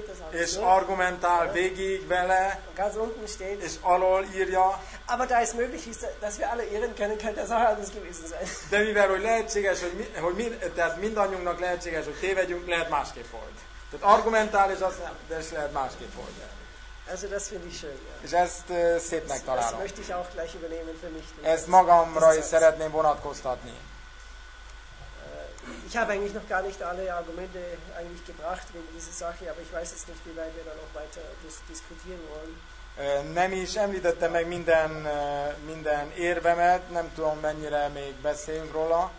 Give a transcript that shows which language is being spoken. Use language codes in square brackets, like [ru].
[hu] És argumentál végig vele. [de] Ganz unten steht. [hu] És alól írja. [de] Aber da es möglich ist, dass wir alle irren können, könnte das auch alles gewesen sein. [hu] De mivel hogy lehetséges, hogy mi, tehát mindannyiunknak lehetséges, hogy tévedjünk, lehet másképp volt. Tehát argumentál, és azt nem, de is lehet másképp volt. [de] Also das finde ich schön, ja. [hu] És ezt szépnek találom. [de] Ezt möchte ich auch gleich übernehmen für mich. [hu] Ezt magamra is szeretném vonatkoztatni. [de] Ich habe eigentlich noch gar nicht alle Argumente eigentlich gebracht wegen dieser Sache, aber ich weiß jetzt nicht, wie weit wir da noch weiter diskutieren wollen. [hu] Nem is említettem meg minden érvemet, nem tudom mennyire még beszélünk róla.